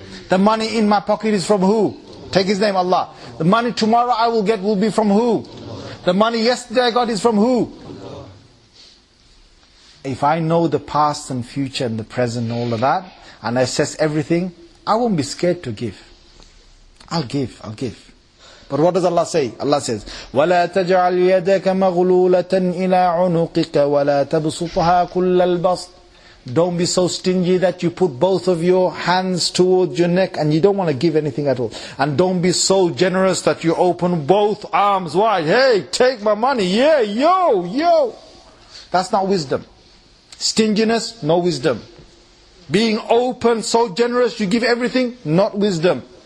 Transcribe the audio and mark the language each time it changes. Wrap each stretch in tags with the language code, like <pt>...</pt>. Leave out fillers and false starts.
<en>The money in my pocket is from who? Take his name, Allah. The money tomorrow I will get will be from who? The money yesterday I got is from who? If I know the past and future and the present and all of that, and I assess everything, I won't be scared to give. I'll give. But what does Allah say? Allah says,</en> <ar>وَلَا تَجْعَلْ يَدَكَ مَغْلُولَةً إِلَىٰ عُنُقِكَ وَلَا تَبْسُطْهَا كُلَّ الْبَسْطِ.</ar> <en>Don't be so stingy that you put both of your hands towards your neck and you don't want to give anything at all. And don't be so generous that you open both arms wide. Hey, take my money. Yeah, yo. That's not wisdom. Stinginess, no wisdom. Being open, so generous, you give everything, not wisdom.</en>